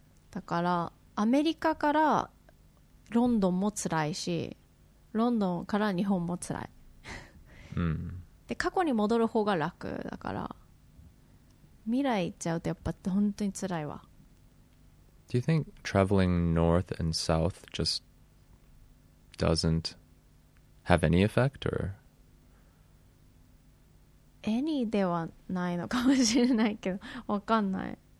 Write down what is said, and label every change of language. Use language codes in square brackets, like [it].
[ja] だからアメリカからロンドンも辛いしロンドンから日本も辛い、うん、で過去に戻る方が楽だから未来行っちゃうとやっぱ本当に辛いわ [en] Do you think traveling north and south just doesn't have any effect or [ja] any ではないのかもしれないけどわかんない